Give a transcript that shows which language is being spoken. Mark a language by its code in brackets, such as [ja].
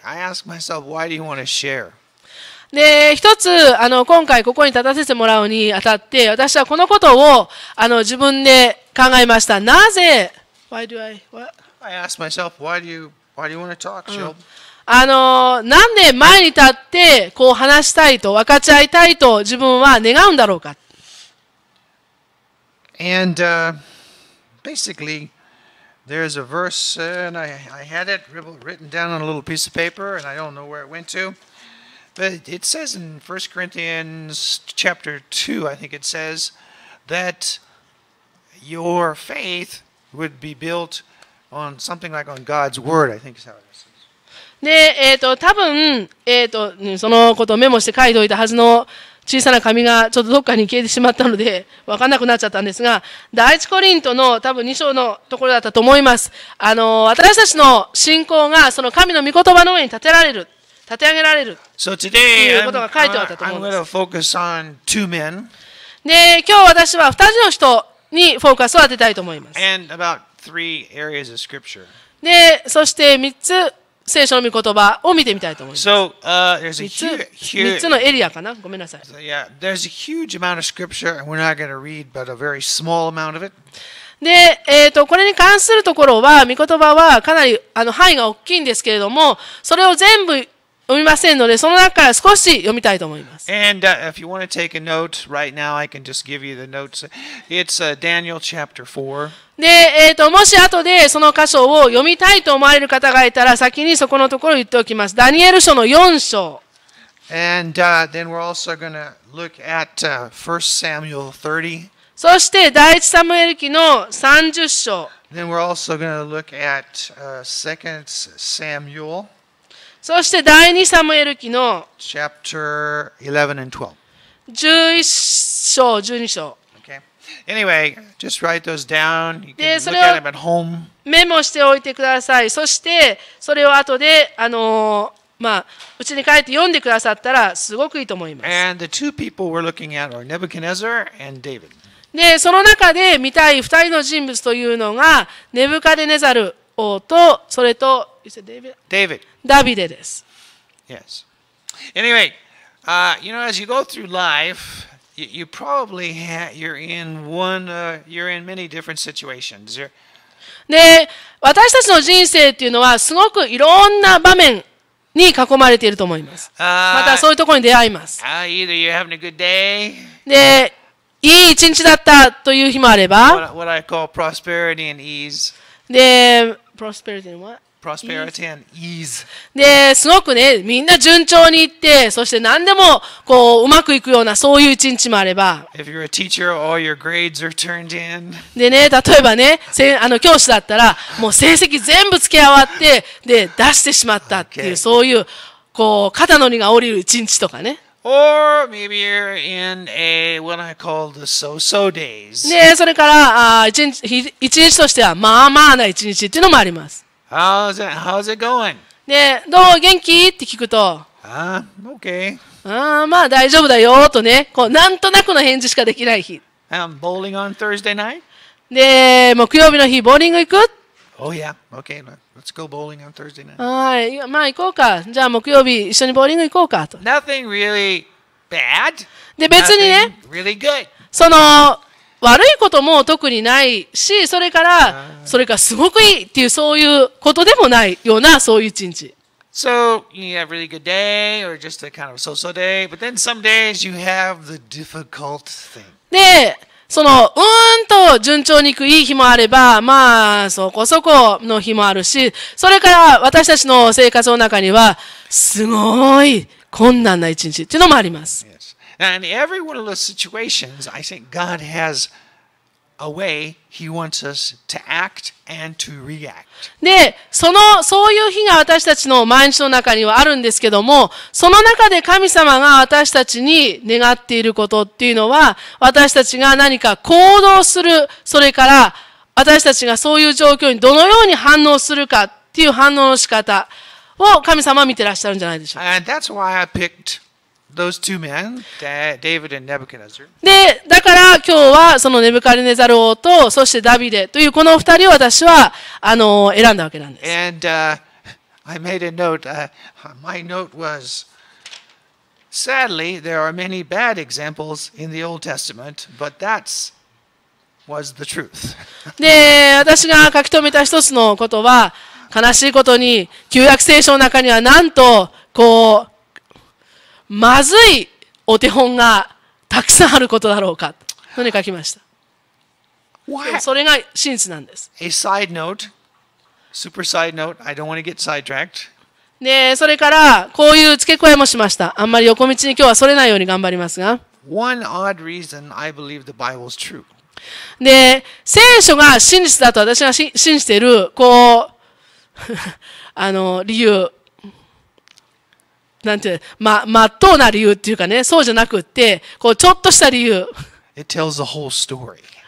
[en] I ask myself, why do you want to share? [ja] で、一つ、今回ここに立たせてもらうにあたって、私はこのことを、自分で考えました。なぜ、 [en] I ask myself, why do you want to talk, Jill?、 [ja] なんで前に立って、こう話したいと、分かち合いたいと自分は願うんだろうか。 [en] And, basically, there's a verse, and I had it written down on a little piece of paper, and I don't know where it went to. But it says in 1 Corinthians chapter 2, I think it says, that your faith would be built on something like on God's word, I think is how it is. [ja] で、多分、そのことをメモして書いておいたはずの小さな紙がちょっとどっかに消えてしまったので、わかんなくなっちゃったんですが、第一コリントの多分2章のところだったと思います。私たちの信仰がその神の御言葉の上に立てられる。立て上げられる。 [en] So、today, [ja] ということが書いてあったと思います。 [en] I'm gonna focus on two men. [ja] で、今日私は二人の人にフォーカスを当てたいと思います。 [en] And about three areas of scripture. [ja] で、そして三つ聖書の御言葉を見てみたいと思います。 [en] So, there's a huge, [ja] 三つのエリアかな？ごめんなさい。 [en] So, yeah, there's a huge amount of scripture and we're not gonna read but a very small amount of it. [ja] で、これに関するところは、御言葉はかなり範囲が大きいんですけれども、それを全部読みませんので、その中から少し読みたいと思います。 [en] And, if you want to take a note right now, I can just give you the notes. It's, Daniel chapter 4. [ja] で、もし後でその箇所を読みたいと思われる方がいたら、先にそこのところを言っておきます。ダニエル書の4章。 [en] And, then we're also going to look at, 1 Samuel 30. [ja] そして第一サムエル記の三十章。 [en] Then we're also going to look at, Second Samuel. [ja] そして第二サムエル記の [en] chapter 11 and [ja] 12. 十一章十二章。 [en] Okay. Anyway, just write those down. You can look at them at home. [ja] メモしておいてください。そしてそれを後でうちに帰って読んでくださったらすごくいいと思います。 [en] And the two people we're looking at are Nebuchadnezzar and David. [ja] で、その中で見たい二人の人物というのが、ネブカデネザル王と、それと、ダビデです。 [en] Yes. Anyway, you know, as you go through life, you probably have, you're in many different situations. [ja] で、私たちの人生っていうのは、すごくいろんな場面、に囲まれていると思います。またそういうところに出会います。 [en] Either you're having a good day, [ja] で、いい一日だったという日もあれば、 [en] what I call prosperity and ease. で、prosperity and what? Prosperity and ease. [ja] で、すごくね、みんな順調にいって、そして何でもこううまくいくようなそういう一日もあれば、 [en] if you're a teacher, all your grades are turned in. [ja] でね、例えばね、教師だったら、もう成績全部付け合わって、で、出してしまったっていう、okay. そういう、こう、肩の荷が下りる一日とかね。 [en] Or maybe you're in a what I call the so-so days. [ja] ね、それから一日としてはまあまあな一日っていうのもあります。 [en] How's it going? [ja] ね、どう元気って聞くと、 [en] okay. [ja] まあ大丈夫だよとね、こうなんとなくの返事しかできない日。 [en] I'm bowling on Thursday night. [ja] で、木曜日の日ボーリング行く？ [en] Oh yeah, okay. Let's go bowling on Thursday night. [ja] はい、まあ行こうか。じゃあ木曜日一緒にボーリング行こうかと。 [en] Nothing really bad. [ja] で別にね、 [en] really good. [ja] その悪いことも特にないし、それからすごくいいっていうそういうことでもないようなそういう一日。 [en] So you have a really good day or just a kind of so-so day, but then some days you have the difficult thing. [ja] で、そのうーんと順調にいくいい日もあれば、まあそこそこの日もあるし、それから私たちの生活の中にはすごい困難な一日っていうのもあります。 [en] Yes. And every one of those situations, I think God has a way He wants us to act and to react. [ja] で、そういう日が私たちの毎日の中にはあるんですけども、その中で神様が私たちに願っていることっていうのは、私たちが何か行動する、それから私たちがそういう状況にどのように反応するかっていう反応の仕方を神様は見てらっしゃるんじゃないでしょうか。 [en] And that's why I picked those two men, David and Nebuchadnezzar. [ja] で、だから今日はそのネブカデネザル王と、そしてダビデというこの二人を私は、選んだわけなんです。 [en] And, I made a note. My note was, sadly, there are many bad examples in the Old Testament, but that's was the truth. [ja] で、私が書き留めた一つのことは、悲しいことに、旧約聖書の中にはなんと、こう、まずいお手本がたくさんあることだろうか、と書きました。 [en] What? [ja] それが真実なんです。 [en] A side note, super side note, I don't want to get sidetracked. [ja] でそれからこういう付け加えもしました。あんまり横道に今日はそれないように頑張りますが。 [en] One odd reason I believe the Bible's true. [ja] で、聖書が真実だと私が信じている、こう、あの、理由。なんて、まっとうな理由っていうかね、そうじゃなくって、こう、ちょっとした理由。 [en] It tells the whole story.